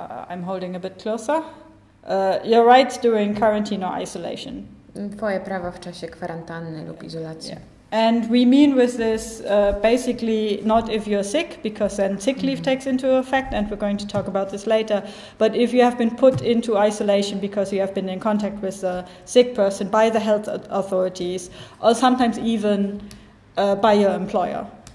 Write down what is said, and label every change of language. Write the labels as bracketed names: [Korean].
[English] I'm holding a bit closer. Your rights during quarantine or isolation. [Polish] Twoje prawa w czasie kwarantanny lub izolacji. [English] Yeah. And we mean with this basically not if you're sick, because then sick leave takes into effect, and we're going to talk about this later, but if you have been put into isolation because you have been in contact with a sick person by the health authorities, or sometimes even by your employer.